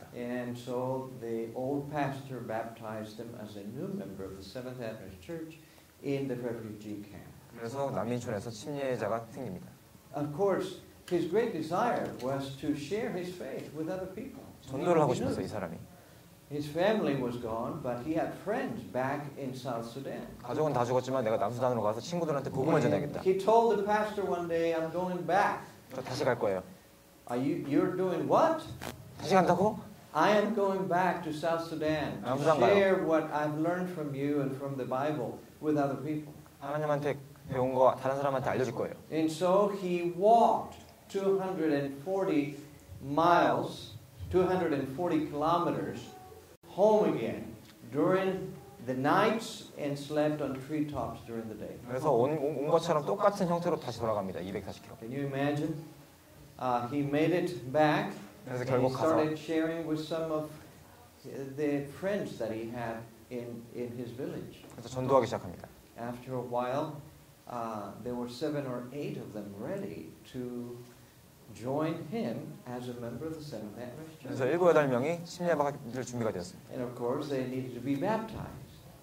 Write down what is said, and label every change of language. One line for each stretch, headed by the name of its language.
English: And so the old pastor baptized him as a new member of the Seventh Adventist Church in the refugee camp.
Korean: 그래서 난민촌에서 침례자가 생깁니다.
English: Of course, his great desire was to share his faith with other people.
Korean: 전도를 하고 싶었어 이 사람이.
English: His family was gone, but he had friends back in South Sudan.
Korean: 가족은 다 죽었지만 내가 남수단으로 가서 친구들한테 복음을 전해야겠다.
English: He told the pastor one day, "I'm going back."
Korean: 저 다시 갈 거예요.
English: Are you're doing what?
Korean: 다시 간다고?
English: I am going back to South Sudan to share what I've learned from you and from the Bible with other people.
Korean: 하나님한테 배운 거 다른 사람한테 알려줄 거예요.
English: And so he walked 240 kilometers home again during the nights and slept on treetops during the day.
Korean: 그래서 온 것처럼 똑같은 형태로 다시 돌아갑니다. 240km.
English: Can you imagine? He made it back.
Korean: 그래서 결국 가서
English: he started sharing with some of the friends that he had in his village.
Korean: 그래서 전도하기 시작합니다.
English: After a while, there were 7 or 8 of them ready to join him as a member of the Seventh Adventist Church.
Korean: 그래서 일곱 여덟 명이 침례받을 준비가 되었습니다.
English: And of course, they needed to be baptized.